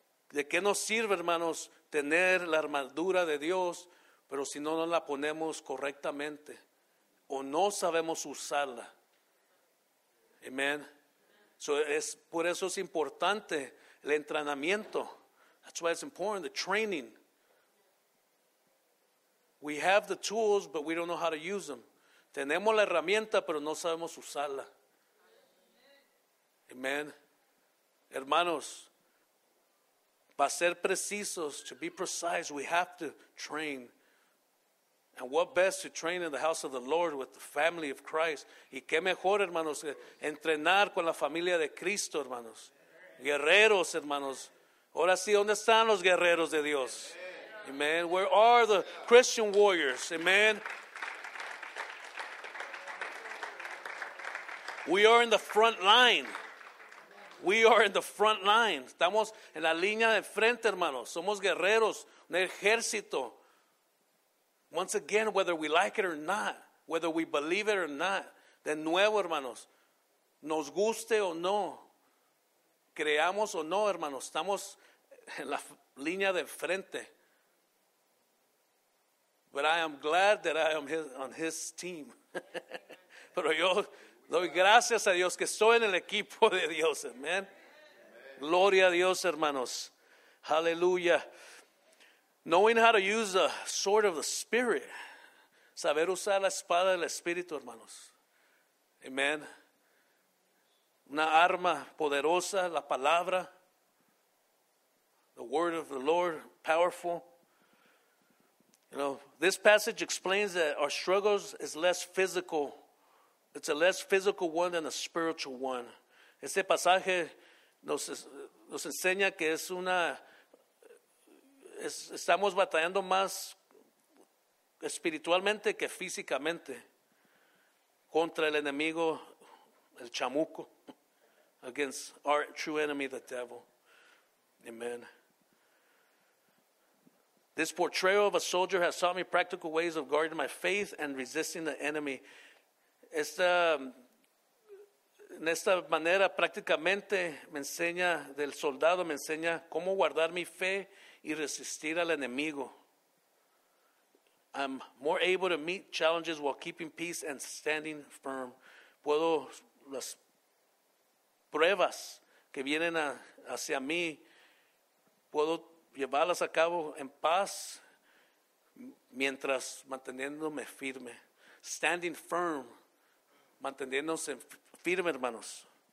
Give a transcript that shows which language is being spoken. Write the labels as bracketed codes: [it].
[es] ¿De qué nos sirve, hermanos, tener la armadura de Dios, pero si no nos la ponemos correctamente? O no sabemos usarla. Amen. So es, por eso es importante el entrenamiento. [en] That's why it's important, the training. We have the tools, but we don't know how to use them. [es] Tenemos la herramienta, pero no sabemos usarla. Amén. Hermanos, para ser precisos, [en] to be precise, we have to train. And what best to train in the house of the Lord with the family of Christ. [es] Y qué mejor, hermanos, entrenar con la familia de Cristo, hermanos. Guerreros, hermanos. Ahora sí, ¿dónde están los guerreros de Dios? [en] Amen. Where are the Christian warriors? Amen. We are in the front line. We are in the front line. [es] Estamos en la línea de frente, hermanos. Somos guerreros, un ejército. [en] Once again, whether we like it or not, [es] whether we believe it or not, de nuevo, hermanos, nos guste o no, creamos o no, hermanos, estamos en la línea de frente. [en] But I am glad that I am on his team. [es] Pero yo doy gracias a Dios que estoy en el equipo de Dios. Amen. Amen. Gloria a Dios, hermanos. Hallelujah. [en] Knowing how to use the sword of the Spirit. [es] Saber usar la espada del Espíritu, hermanos. [en] Amen. [es] Una arma poderosa, la palabra. [en] The word of the Lord, powerful. You know, this passage explains that our struggles is less physical. It's a less physical one than a spiritual one. [es] Este pasaje nos enseña que es una... Estamos batallando más espiritualmente que físicamente contra el enemigo, el chamuco, [en] against our true enemy, the devil. [es] Amen. [en] This portrayal of a soldier has taught me practical ways of guarding my faith and resisting the enemy. [es] En esta manera prácticamente me enseña del soldado, me enseña cómo guardar mi fe y resistir al enemigo. [en] I'm more able to meet challenges while keeping peace and standing firm. [es] Puedo, las pruebas que vienen hacia mí, puedo llevarlas a cabo en paz mientras manteniéndome firme. [en] Standing firm. [es] Manteniéndose firme, hermanos.